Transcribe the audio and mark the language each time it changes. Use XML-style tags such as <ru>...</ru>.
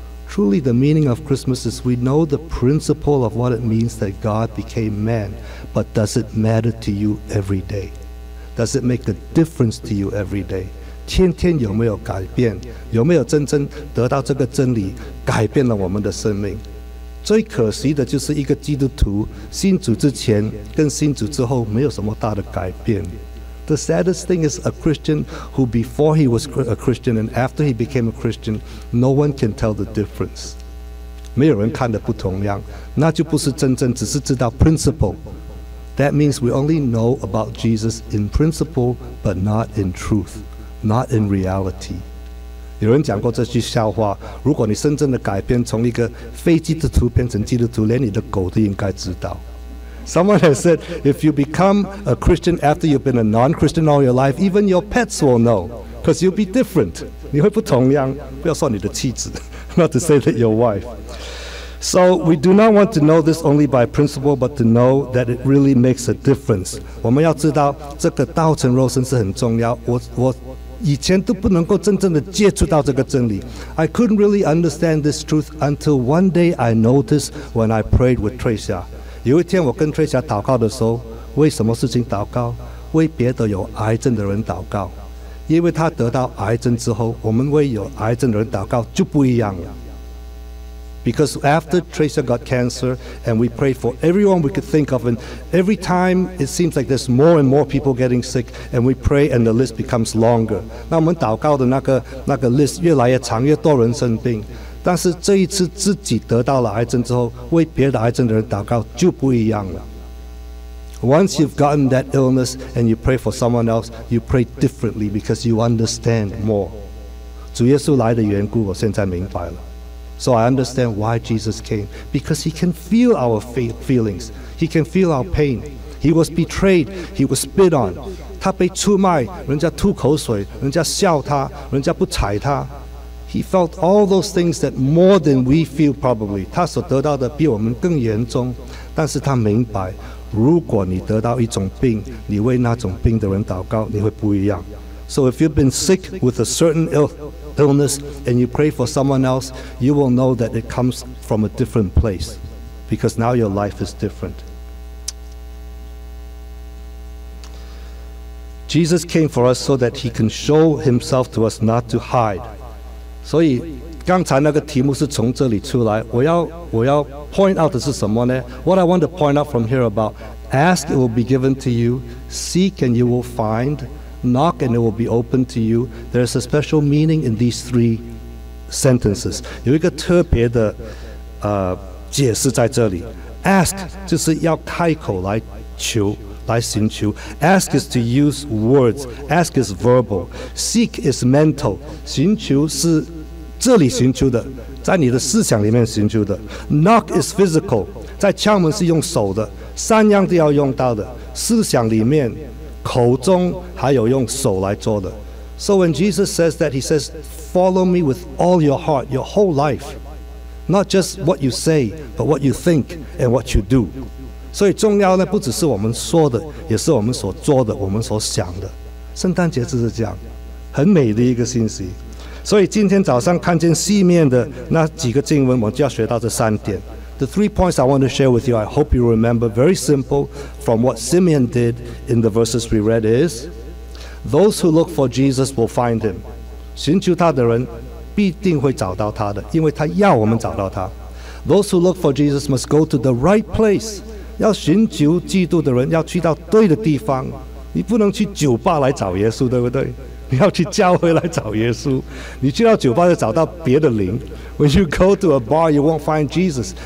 <en>Truly, the meaning of Christmas is we know the principle of what it means that God became man. But does it matter to you every day? Does it make a difference to you every day?</en> <zh>天天有没有改变？有没有真正得到这个真理，改变了我们的生命？最可惜的就是一个基督徒信主之前跟信主之后没有什么大的改变。</zh> <en>The saddest thing is a Christian who before he was a Christian and after he became a Christian, no one can tell the difference.</en> <zh>没有人看得不同样，那就不是真正只是知道 principle.</zh> <en>That means we only know about Jesus in principle, but not in truth, not in reality.</en> <zh>有人讲过这句笑话，如果你真正的改变从一个非基督徒变成基督徒，连你的狗都应该知道。</zh> <en>Someone has said, if you become a Christian after you've been a non-Christian all your life, even your pets will know, because you'll be different.</en> <zh>你会不同样，不要说你的妻子，</zh> <en>not to say that your wife. So we do not want to know this only by principle, but to know that it really makes a difference.</en> <zh>我们要知道这个道成肉身是很重要。我以前都不能够真正的接触到这个真理。</zh> <en>I couldn't really understand this truth until one day I noticed when I prayed with Tracia.</en> <zh>有一天我跟 Tracia 祷告的时候，为什么事情祷告？为别的有癌症的人祷告。因为他得到癌症之后，我们为有癌症的人祷告就不一样了。</zh> <en>Because after Tracia got cancer, and we prayed for everyone we could think of, and every time it seems like there's more and more people getting sick, and we pray and the list becomes longer.</en> <zh>那我们祷告的那个 list 越来越长，越多人生病。但是这一次自己得到了癌症之后，为别的癌症的人祷告就不一样了。</zh> <en>Once you've gotten that illness and you pray for someone else, you pray differently because you understand more.</en> <zh>主耶稣来的缘故，我现在明白了。</zh> <en>So I understand why Jesus came, because he can feel our feelings. He can feel our pain. He was betrayed. He was spit on.</en> <zh>他被出卖，人家吐口水，人家笑他，人家不睬他。</zh> <en>He felt all those things that more than we feel probably.</en> <zh>他所得到的比我们更严重。但是他明白，如果你得到一种病，你为那种病的人祷告，你会不一样。</zh> <en>So if you've been sick with a certain illness and you pray for someone else, you will know that it comes from a different place because now your life is different. Jesus came for us so that he can show himself to us not to hide.</en> <zh>所以刚才那个题目是从这里出来，我要</zh> <en>point out</en> <zh>的是什么呢？</zh> <en>What I want to point out from here about, ask it will be given to you, seek and you will find,Knock and it will be opened to you. There's a special meaning in these three sentences.</en> <zh>有一个特别的解释在这里。 Ask 就是要开口来求，来寻求。</zh> <en>Ask is to use words. Ask is verbal. Seek is mental.</en> <zh>寻求是这里寻求的，在你的思想里面寻求的。</zh> <en>Knock is physical.</en> <zh>在敲门是用手的，三样都要用到的，思想里面。口中还有用手来做的。</zh> <en>So when Jesus says that, he says, follow me with all your heart, your whole life. Not just what you say, but what you think and what you do. 所以重要呢，不只是我们说的，也是我们所做的，我们所想的。圣诞节就是这样，很美的一个信息。所以今天早上看见西面的那几个经文，我们就要学到这三点。 The three points I want to share with you, I hope you remember, very simple from what Simeon did in the verses we read is, those who look for Jesus will find him.</en> <zh>寻求他的人必定会找到他的，因为他要我们找到他。</zh> <en>Those who look for Jesus must go to the right place.</en> <zh>要寻求基督的人要去到对的地方，你不能去酒吧来找耶稣，对不对？你要去教会来找耶稣，你去到酒吧就找到别的灵。</zh> <en>When you go to a bar, you won't find Jesus.</en>